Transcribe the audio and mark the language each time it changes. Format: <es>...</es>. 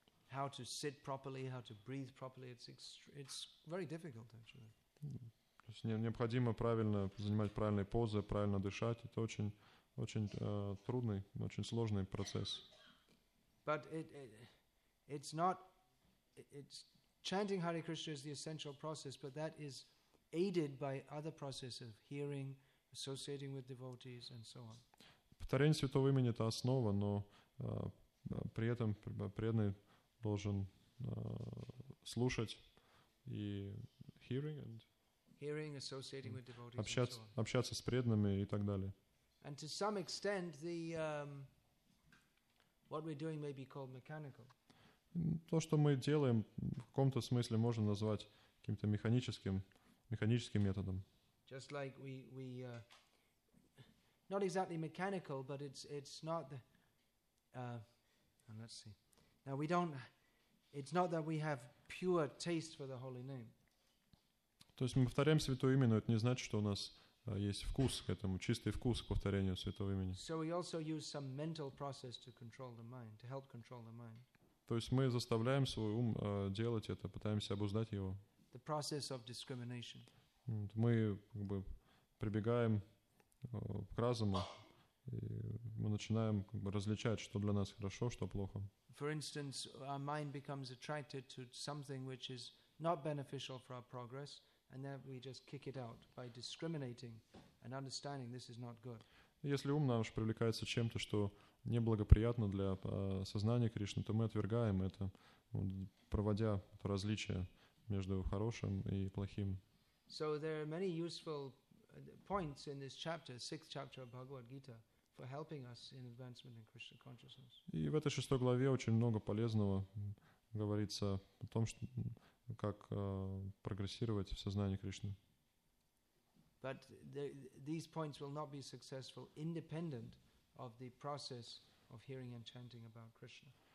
<en>How to sit properly, how to breathe properly, it's very difficult actually.</en> <ru>То есть необходимо правильно занимать правильные позы, правильно дышать. Это очень трудный, очень сложный процесс.</ru> <en>But it's chanting Hare Krishna is the essential process, but that is aided by other processes of hearing, associating with devotees, and so on.</en> <ru>Повторение святого имени — это основа, но при этом преданный должен слушать и hearing,</ru> <en>associating with devotees,</en> <ru>общаться с преданными и так далее.</ru> <en>And to some extent, the what we're doing may be called mechanical.</en> <ru>То, что мы делаем, в каком-то смысле можно назвать каким-то механическим методом.</ru> <en>Just like we not exactly mechanical, but it's not the and let's see. Now we don't, it's not that we have pure taste for the holy name.</en> <ru>То есть мы повторяем святое имя, но это не значит, что у нас есть вкус к этому, чистый вкус к повторению святого имени.</ru> <en>So we also use some mental process to control the mind, to help control the mind.</en> <ru>То есть мы заставляем свой ум делать это, пытаемся обуздать его.</ru> <en>The process of discrimination.</en> <ru>Мы как бы прибегаем к разуму, и мы начинаем как бы различать, что для нас хорошо, что плохо.</ru> <en>For instance, our mind becomes attracted to something which is not beneficial for our progress, and then we just kick it out by discriminating and understanding this is not good.</en> <ru>Если ум наш привлекается чем-то, что неблагоприятно для сознания Кришны, то мы отвергаем это, проводя это различие между хорошим и плохим.</ru> <en>So there are many useful points in this chapter, sixth chapter of Bhagavad Gita, for helping us in advancement in Krishna consciousness.</en> <ru>И в этой шестой главе очень много полезного говорится о том, что, как прогрессировать в сознании Кришны.</ru> <en>But these points will not be successful independent of the process of hearing and chanting about Krishna.</en>